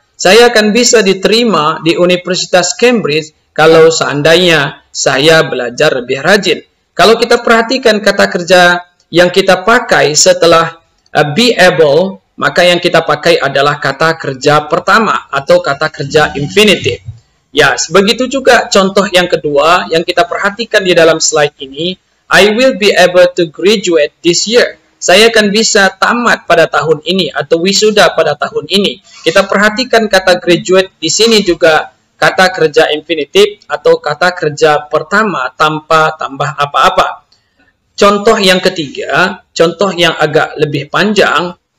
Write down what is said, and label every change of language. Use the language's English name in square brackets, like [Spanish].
[Indonesian] Saya akan bisa diterima di Universitas Cambridge kalau seandainya saya belajar lebih rajin. Kalau kita perhatikan kata kerja yang kita pakai setelah be able, maka yang kita pakai adalah kata kerja pertama atau kata kerja infinitive. Ya, yes, begitu juga contoh yang kedua yang kita perhatikan di dalam slide ini. [English] I will be able to graduate this year. [Indonesian] Saya akan bisa tamat pada tahun ini atau wisuda pada tahun ini. Kita perhatikan kata graduate di sini juga kata kerja infinitive atau kata kerja pertama tanpa tambah apa-apa. Contoh yang ketiga, contoh yang agak lebih panjang.